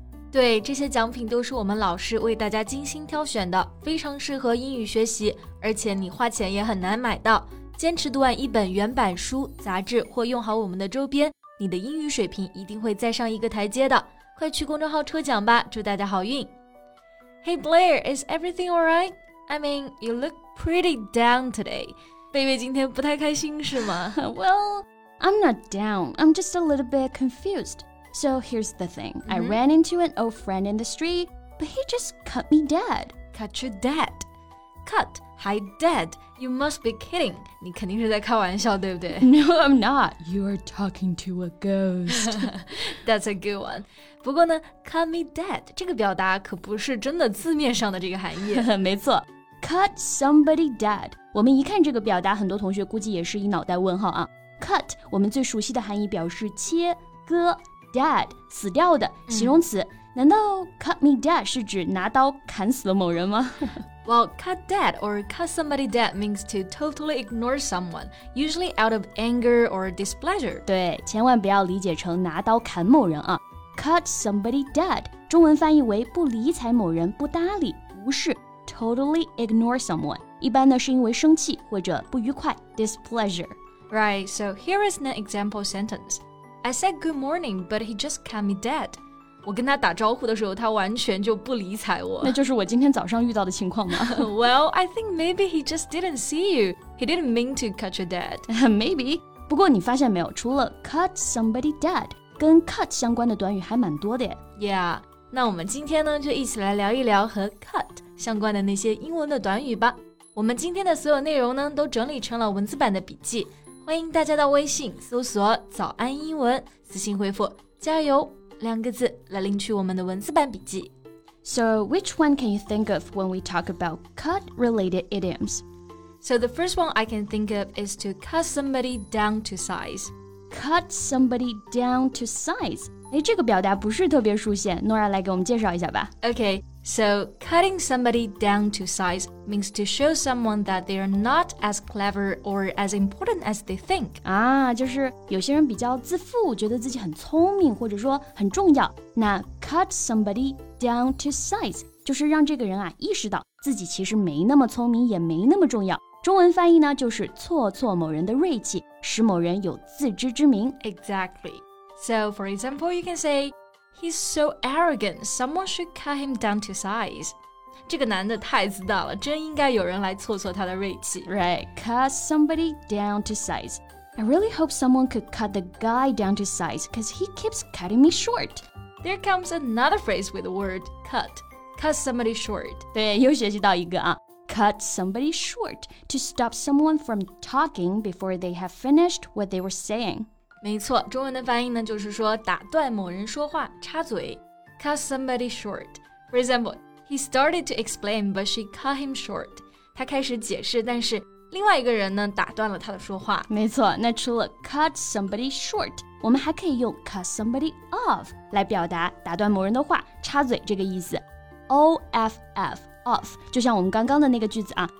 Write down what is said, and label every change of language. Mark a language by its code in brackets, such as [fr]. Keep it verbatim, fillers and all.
[zh] 对，这些奖品都是我们老师为大家精心挑选的，非常适合英语学习，而且你花钱也很难买到。坚持读完一本原版书、杂志或用好我们的周边，你的英语水平一定会再上一个台阶的。快去公众号抽奖吧，祝大家好运。 [en] Hey Blair, is everything alright? I mean, you look pretty down today. [zh] 贝贝今天不太开心是吗？ [en] Well, I'm not down. I'm just a little bit confused. So here's the thing.、Mm-hmm. I ran into an old friend in the street, but he just cut me dead. Cut you dead? Cut, 还 dead. You must be kidding. [zh] 你肯定是在开玩笑，对不对？ [en] No, I'm not. You are talking to a ghost. That's a good one. [zh] 不过呢 [en] cut me dead [zh] 这个表达可不是真的字面上的这个含义。没错。 [en] Cut somebody dead. [zh] 我们一看这个表达，很多同学估计也是一脑袋问号啊。Cut, 我们最熟悉的含义表示切、割。 Dead, 死掉的形容词、嗯、难道 [en] cut me dead [zh] 是指拿刀砍死了某人吗？ [en] Well, cut dead or cut somebody dead means to totally ignore someone, usually out of anger or displeasure. [zh] 对，千万不要理解成拿刀砍某人啊。 [en] Cut somebody dead, [zh] 中文翻译为不理睬某人，不搭理，无视。 [en] Totally ignore someone, [zh] 一般呢是因为生气或者不愉快 displeasure. [en] Right, so here is an example sentence. I said good morning, but he just cut me dead. [zh] 我跟他打招呼的时候，他完全就不理睬我。那就是我今天早上遇到的情况吗？ [en] Well, I think maybe he just didn't see you. He didn't mean to cut you dead. Maybe. [zh] 不过你发现没有，除了 [en] cut somebody dead, [zh] 跟 cut 相关的短语还蛮多的耶。 [en] Yeah. [zh] 那我们今天呢，就一起来聊一聊和 cut 相关的那些英文的短语吧。我们今天的所有内容呢，都整理成了文字版的笔记。欢迎大家到微信搜索早安英文，私信回复加油两个字来领取我们的文字版笔记。 [en] So which one can you think of when we talk about cut related idioms? So the first one I can think of is to cut somebody down to size. Cut somebody down to size. [zh] 诶，这个表达不是特别熟悉， Nora 来给我们介绍一下吧。 [en] Okay, so cutting somebody down to size means to show someone that they are not as clever or as important as they think. [zh] 啊，就是有些人比较自负，觉得自己很聪明，或者说很重要。那 [en] cut somebody down to size [zh] 就是让这个人啊意识到自己其实没那么聪明，也没那么重要。中文翻译呢，就是挫挫某人的锐气，使某人有自知之明。 [en] Exactly. So, for example, you can say, he's so arrogant, someone should cut him down to size. [zh] 这个男的太自大了，真应该有人来挫挫他的锐气。 [en] Right, cut somebody down to size. I really hope someone could cut the guy down to size, because he keeps cutting me short. There comes another phrase with the word cut. Cut somebody short. [zh] 对，又学习到一个啊。 [en] Cut somebody short to stop someone from talking before they have finished what they were saying. [zh] 没错，中文的翻译呢，就是说打断某人说话，插嘴。 [en] Cut somebody short. For example, he started to explain, but she cut him short. [zh] 他开始解释，但是另外一个人呢，打断了他的说话。没错，那除了 [en] cut somebody short, [zh] 我们还可以用 [en] cut somebody off [zh] 来表达打断某人的话，插嘴这个意思。 [en] O F F, off, [zh] 就像我们刚刚的那个句子啊。